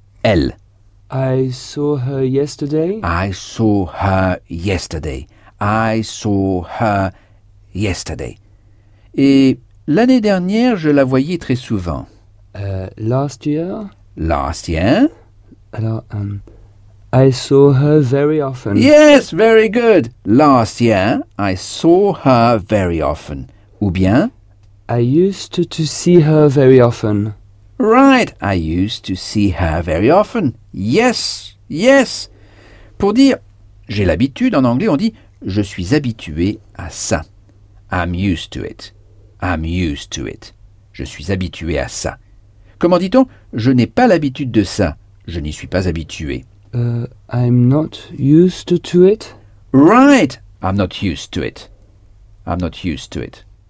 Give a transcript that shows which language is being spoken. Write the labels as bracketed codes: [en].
[fr] Elle. [en] I saw her yesterday. I saw her yesterday. I saw her yesterday. [fr] Et l'année dernière, je la voyais très souvent. [en] Last year. Last year. Alors, I saw her very often. Yes, very good. Last year, I saw her very often. [fr] Ou bien? [en] I used to see her very often. Right, I used to see her very often. Yes, yes. [fr] Pour dire j'ai l'habitude, en anglais on dit je suis habitué à ça. [en] I'm used to it. I'm used to it. [fr] Je suis habitué à ça. Comment dit-on je n'ai pas l'habitude de ça. Je n'y suis pas habitué. [en] I'm not used to it. Right. I'm not used to it. I'm not used to it.